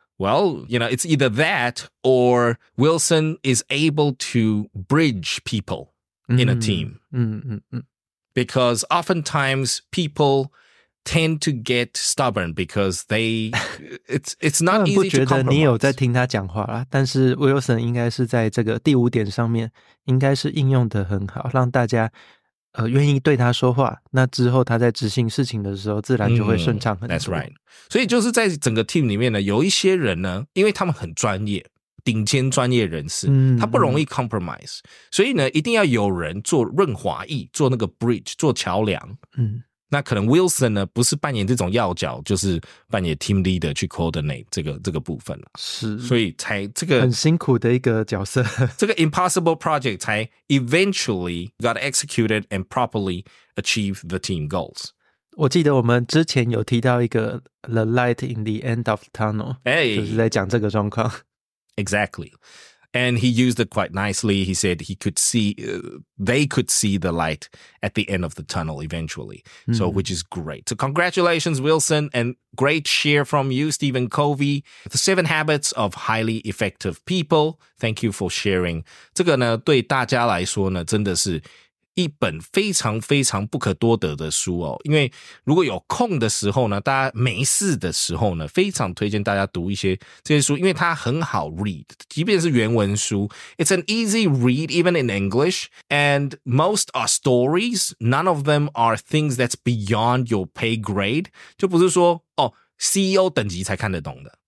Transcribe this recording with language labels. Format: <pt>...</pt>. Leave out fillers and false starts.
<en>Well, you know, it's either that or Wilson is able to bridge people in a team. Mm-hmm. because oftentimes people tend to get stubborn because they, it's not easy to compromise.</en> <zh>不觉得你有在听他讲话啦，但是 Wilson 应该是在这个第五点上面应该是应用得很好，让大家愿意对他说话，那之后他在执行事情的时候自然就会顺畅很多。</zh> <en>That's right.</en> <zh>所以就是在整个 team 里面呢，有一些人呢，因为他们很专业，顶尖专业人士，他不容易 compromise， 所以呢一定要有人做润滑液，做那个 bridge， 做桥梁。那可能 Wilson 呢不是扮演这种要角，就是扮演 team leader 去 coordinate 这个部分了。是，所以才这个很辛苦的一个角色，这个</zh> <en>impossible project</en> <zh>才</zh> <en>eventually got executed and properly achieved the team goals。</en> <zh>我记得我们之前有提到一个</zh> <en>the light in the end of the tunnel，</en> <zh>就是在讲这个状况。</zh> <en>Exactly. And he used it quite nicely. He said he could see, they could see the light at the end of the tunnel eventually. So, which is great. So, congratulations, Wilson, and great share from you, Stephen Covey. The 7 Habits of Highly Effective People. Thank you for sharing.</en> <zh>这个呢，对大家来说呢，真的是一本非常非常不可多得的书哦，因为如果有空的时候呢，大家没事的时候呢，非常推荐大家读一些这些书，因为它很好 read， 即便是原文书 ，</zh> <en>It's an easy read even in English， and most are stories， none of them are things that's beyond your pay grade，</en> <zh>就不是说哦 CEO 等级才看得懂的。</zh>